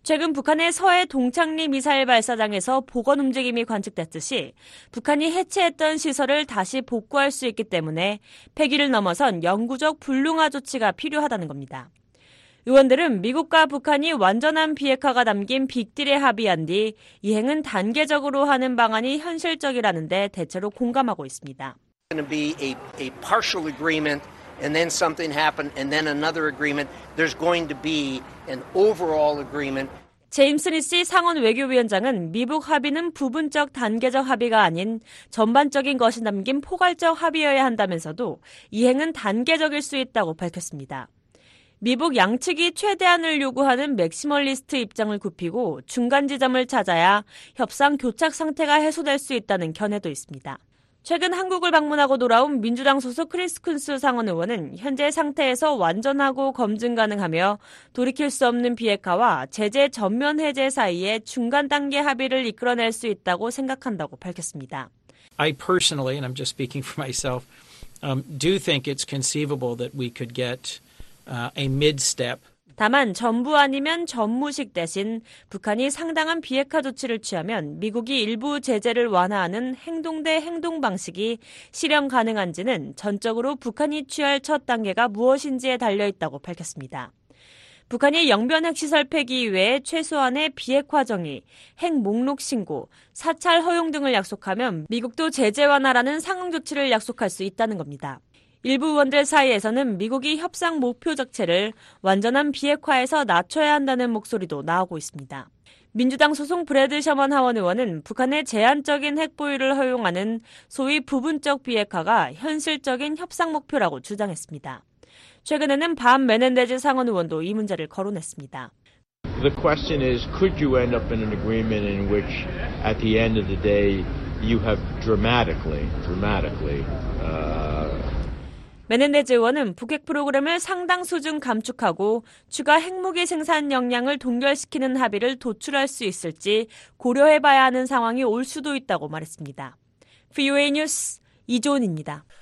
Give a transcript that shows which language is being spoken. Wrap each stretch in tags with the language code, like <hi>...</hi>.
<ko>최근 북한의 서해 동창리 미사일 발사장에서 복원 움직임이 관측됐듯이 북한이 해체했던 시설을 다시 복구할 수 있기 때문에 폐기를 넘어선 영구적 불능화 조치가 필요하다는 겁니다. 의원들은 미국과 북한이 완전한 비핵화가 담긴 빅딜에 합의한 뒤 이행은 단계적으로 하는 방안이 현실적이라는 데 대체로 공감하고 있습니다.</ko> <en>Going to be a partial agreement and then something happened and then another agreement. There's going to be an overall agreement.</en> <ko>제임스 니시 상원 외교위원장은 미북 합의는 부분적 단계적 합의가 아닌 전반적인 것이 담긴 포괄적 합의여야 한다면서도 이행은 단계적일 수 있다고 밝혔습니다. 미북 양측이 최대한을 요구하는 맥시멀리스트 입장을 굽히고 중간 지점을 찾아야 협상 교착 상태가 해소될 수 있다는 견해도 있습니다. 최근 한국을 방문하고 돌아온 민주당 소속 크리스 쿤스 상원 의원은 현재 상태에서 완전하고 검증 가능하며 돌이킬 수 없는 비핵화와 제재 전면 해제 사이에 중간 단계 합의를 이끌어낼 수 있다고 생각한다고 밝혔습니다.</ko> <en>I personally, and I'm just speaking for myself, do think it's conceivable that we could get a mid-step.</en> <ko>다만 전부 아니면 전무식 대신 북한이 상당한 비핵화 조치를 취하면 미국이 일부 제재를 완화하는 행동 대 행동 방식이 실현 가능한지는 전적으로 북한이 취할 첫 단계가 무엇인지에 달려있다고 밝혔습니다. 북한이 영변 핵시설 폐기 이외에 최소한의 비핵화 정의, 핵 목록 신고, 사찰 허용 등을 약속하면 미국도 제재 완화라는 상응 조치를 약속할 수 있다는 겁니다. 일부 의원들 사이에서는 미국이 협상 목표 자체를 완전한 비핵화에서 낮춰야 한다는 목소리도 나오고 있습니다. 민주당 소속 브래드 셔먼 하원 의원은 북한의 제한적인 핵 보유를 허용하는 소위 부분적 비핵화가 현실적인 협상 목표라고 주장했습니다. 최근에는 밤 메넨데즈 상원 의원도 이 문제를 거론했습니다.</ko> <en>The question is, could you end up in an agreement in which at the end of the day you have dramatically</en> <ko>메넨데즈 의원은 북핵 프로그램을 상당 수준 감축하고 추가 핵무기 생산 역량을 동결시키는 합의를 도출할 수 있을지 고려해봐야 하는 상황이 올 수도 있다고 말했습니다. VOA 뉴스 이조은입니다.</ko>